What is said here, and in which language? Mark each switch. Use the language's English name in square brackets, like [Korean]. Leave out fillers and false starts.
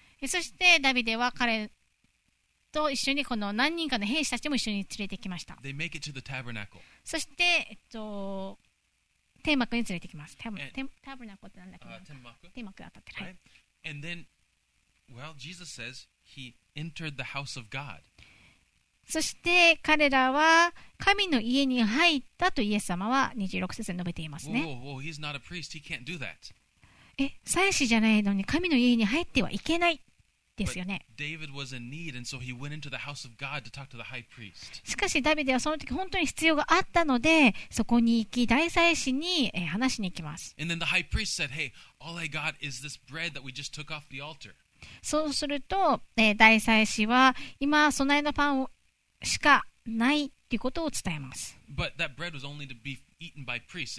[Japanese] そしてダビデは彼と一緒にこの何人かの兵士たちも一緒に連れてきました。 [English] They make it to the tabernacle. [Japanese] そして、天幕に連れてきます。タブナコってなんだっけ、天幕が当たってる、 [English] right. And then, well, Jesus says he entered the house of God. [Japanese] そして彼らは神の家に入ったとイエス様は26節で述べていますね。 [English] whoa, he's not a priest. He can't do that. [Japanese] 祭司じゃないのに神の家に入ってはいけないですよね。 [English] David was in need, and so he went into the house of God to talk to the high priest. [Japanese] しかしダビデはその時本当に必要があったので、そこに行き大祭司に話しに行きます。 [English] And then the high priest said, Hey, all I got is this bread that we just took off the altar. [Japanese] そうすると、大祭司は今備えのパンしかないということを伝えます。 [English] But that bread was only to be eaten by priests.